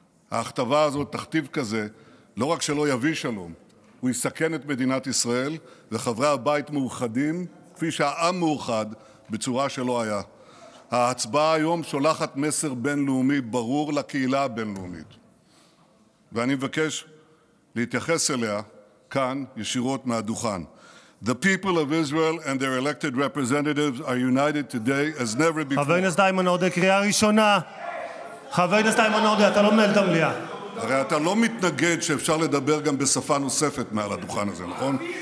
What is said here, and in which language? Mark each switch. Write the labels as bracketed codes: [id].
[he] ההכתבה הזאת, תכתיב כזה, לא רק שלא יביא שלום, הוא יסכן את מדינת ישראל, וחברי הבית מאוחדים כפי שהעם מאוחד בצורה שלא היה. ההצבעה היום שולחת מסר בינלאומי ברור לקהילה הבינלאומית. ואני מבקש להתייחס אליה כאן ישירות מהדוכן. [en] The people of Israel and their elected representatives are united today as never before. [he] חבר הכנסת איימן עודה, קריאה ראשונה. חבר הכנסת איימן עודה, אתה לא מנהל את המליאה. הרי אתה לא מתנגד שאפשר לדבר גם בשפה נוספת מעל הדוכן הזה, נכון?